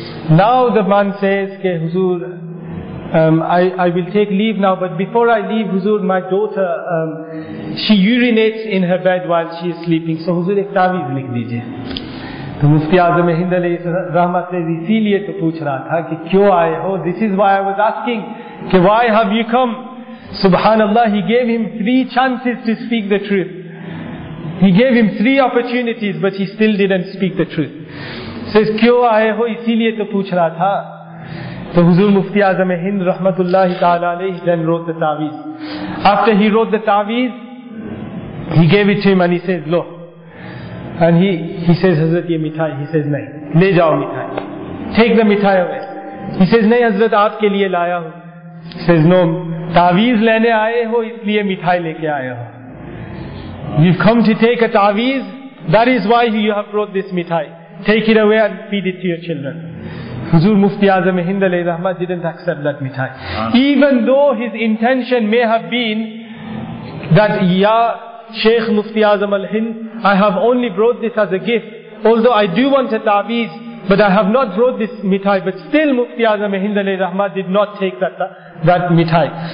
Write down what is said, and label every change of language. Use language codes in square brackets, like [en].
[en] Now the man says, "Ki Huzur, I will take leave now, but before I leave, Huzur, my daughter, she urinates in her bed while she is sleeping, so Huzur, [ur] ek taweez likh dijiye." The مفتی اعظم ہند علیہ الرحمہ says, "اسی لیے تو پوچھ رہا تھا کی کیوں آئے ہو? [en] This is why I was asking, ki why have you come?" Subhanallah, he gave him three chances to speak the truth. He gave him three opportunities, but he still didn't speak the truth. [ur] Says, "کیوں آئے ہو? اسی لیے تو پوچھ رہا تھا." [en] So Huzur Mufti Azam-e-Hind rahmatullahi ta'ala alayhi then wrote the ta'weez. After he wrote the ta'weez, he gave it to him and he says, "Lo." And he says, [ur] "Hazrat, ye mithai." He says, "نہیں, لے جاؤ مٹھائی. [en] Take the mithai away." [ur] He says, "نہیں, حضرت, آپ کے لیے لایا ہوں." He says, "No, تعویذ لینے آئے ہو, اسلیے مٹھائی لیکے آئے ہو. [en] You've come to take a ta'weez, that is why you have brought this mithai. Take it away and feed it to your children." Huzur Mufti Azam-e-Hind alayhi rahmah didn't accept that mithai. Even though his intention may have been that, "Ya Shaykh Mufti Azam al-Hind, I have only brought this as a gift, although I do want a ta'weez, but I have not brought this mithai," but still Mufti Azam-e-Hind alayhi rahmah did not take that mithai.